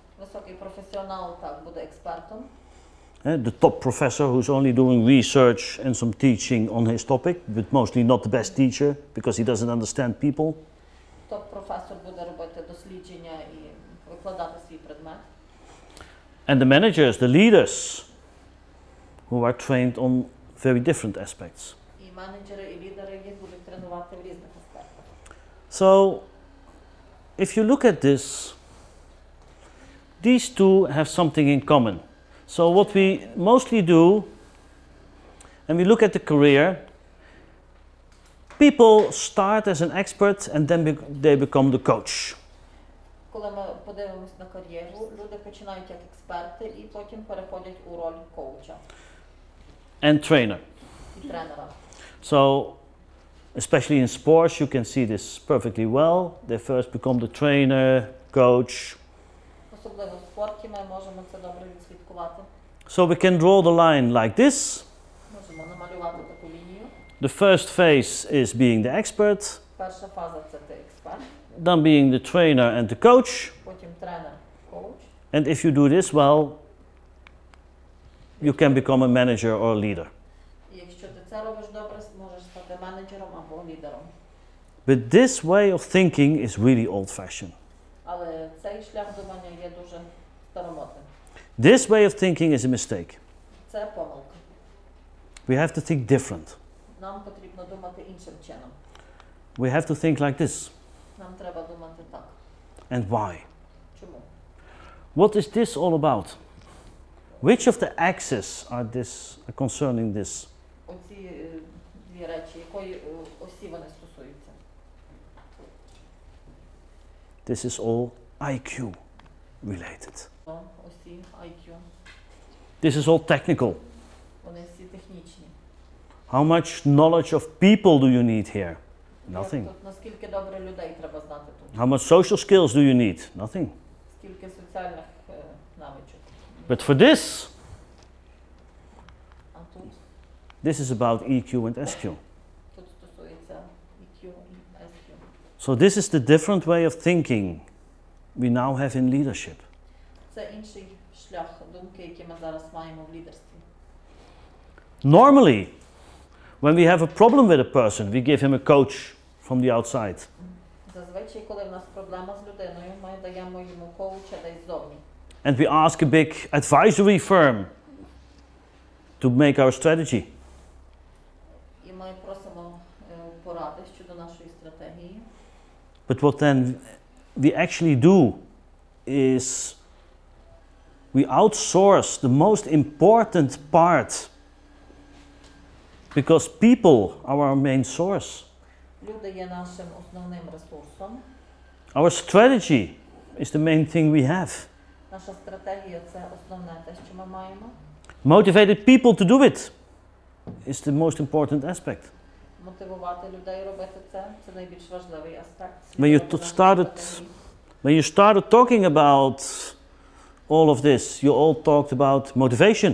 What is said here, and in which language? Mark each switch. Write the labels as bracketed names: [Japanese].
[Ukrainian] Високий професіонал так буде експертом. [English] The top professor who's only doing research and some teaching on his topic, but mostly not the best teacher because he doesn't understand people. [Ukrainian] Топ професор буде робити дослідження і викладати свій предмет. [English] And the managers, the leaders, who are trained on very different aspects. [Ukrainian] Менеджери і лідери їх будуть тренувати в різних аспектах. [English] So, if you look at this, these two have something in common. So what we mostly do, and we look at the career, people start as an expert and then they become the coach. [Ukrainian] Коли ми подивимось на кар'єру, люди починають як експерти і потім переходять у роль коуча. [English] And trainer. [Ukrainian] І тренера. [English] So, especially in sports, you can see this perfectly well. They first become the trainer, coach. [Ukrainian] Особливо в спорті ми можемо це добре відслідкувати. [English] So we can draw the line like this. [Ukrainian] Можемо намалювати таку лінію. [English] The first phase is being the expert. [Ukrainian] Перша фаза – це ти експерт. [English] Then being the trainer and the coach. [Ukrainian] Потім тренер, коуч. [English] And if you do this well, you can become a manager or a leader. [Ukrainian] Це робиш добре, можеш стати менеджером або лідером. [English] But this way of thinking is really old-fashioned. [Ukrainian] Але цей шлях думання є дуже старомодним. [English] This way of thinking is a mistake. [Ukrainian] Це помилка. [English] We have to think different. [Ukrainian] Нам потрібно думати іншим чином. [English] We have to think like this. [Ukrainian] Нам треба думати так. [English] And why? [Ukrainian] Чому? [English] What is this all about? Which of the axes are this concerning this? [Ukrainian] Оці дві речі, якої осі вони стосуються. [English] This is all IQ related. [Ukrainian] Осі IQ. [English] This is all technical. [Ukrainian] Вони всі технічні. [English] How much knowledge of people do you need here? Nothing. [Ukrainian] Наскільки добре людей треба знати тут? [English] How much social skills do you need? Nothing. [Ukrainian] Скільки соціальних навичок? [English] But for this, This is about EQ and SQ. [Ukrainian] Тут стосується EQ and SQ. [English] So this is the different way of thinking we now have in leadership. [Ukrainian] Це інший шлях думки, який ми зараз маємо в лідерстві. [English] Normally, when we have a problem with a person, we give him a coach from the outside. [Ukrainian] Зазвичай, коли в нас проблема з людиною, ми даємо йому коуча десь ззовні. [English] And we ask a big advisory firm to make our strategy. [Ukrainian] І ми просимо поради щодо нашої стратегії. [English] But what then we actually do is we outsource the most important part. Because people are our main source. [Ukrainian] Люди є нашим основним ресурсом. [English] Our strategy is the main thing we have. [Ukrainian] Наша стратегія – це основне те, що ми маємо. [English] Motivated people to do it is the most important aspect. [Ukrainian] Мотивувати людей робити це – найбільш важливий аспект. [English] When you started talking about all of this, you all talked about motivation.